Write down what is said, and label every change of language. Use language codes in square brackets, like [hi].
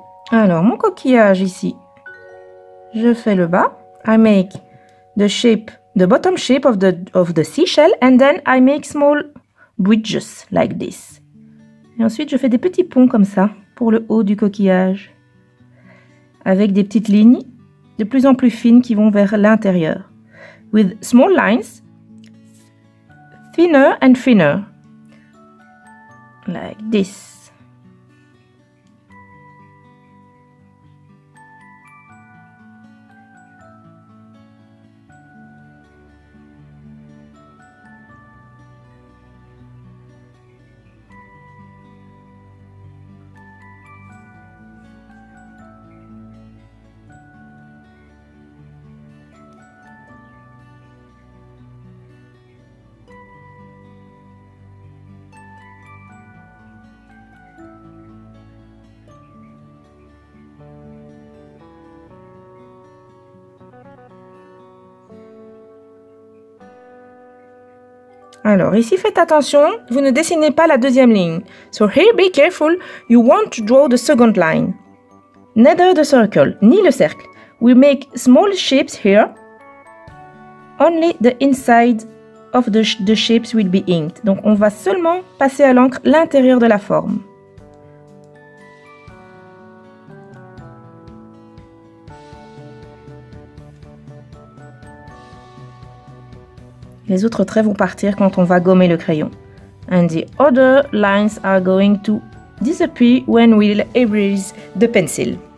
[fr] Alors, mon coquillage ici, je fais le bas. [en] I make the shape, the bottom shape of the seashell, and then I make small bridges like this. [fr] Et ensuite, je fais des petits ponts comme ça pour le haut du coquillage, avec des petites lignes de plus en plus fines qui vont vers l'intérieur. [en] With small lines, thinner and thinner. Like this. [fr] Alors, ici, faites attention, vous ne dessinez pas la deuxième ligne. [en] So here, be careful, you want to draw the second line. Neither the circle, [fr] ni le cercle. [en] We make small shapes here. Only the inside of the shapes will be inked. [fr] Donc, on va seulement passer à l'encre l'intérieur de la forme. Les autres traits vont partir quand on va gommer le crayon. [en] And the other lines are going to disappear when we'll erase the pencil.